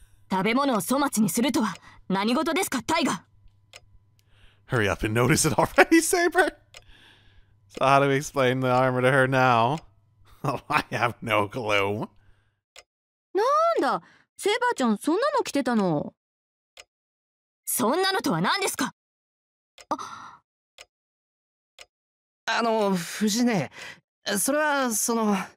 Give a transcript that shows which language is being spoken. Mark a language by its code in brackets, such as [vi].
[ja] 食べ物を粗末にするとは何事ですか、タイガ。 [en] Hurry up and notice it already, Saber! So how do we explain the armor to her now? I have no clue. [ja] なんだ、セーバーちゃんそんなの着てたの。そんなのとは何ですか。フジネ、それはその…